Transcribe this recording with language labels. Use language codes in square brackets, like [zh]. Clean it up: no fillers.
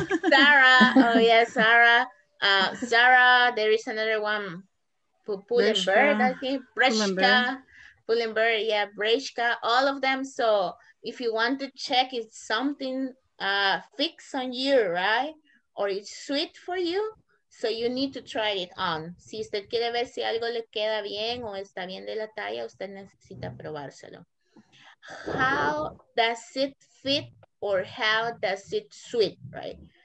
[en] Zara, oh yeah, Zara. Zara, there is another one. Pull&Bear, I think. Breshka. Pull&Bear, yeah, Breshka, all of them. So if you want to check if something fixed on you, right? Or it's sweet for you, so you need to try it on. [es] Si usted quiere ver si algo le queda bien o está bien de la talla, usted necesita probárselo. [en] How does it fit or how does it sweet, right?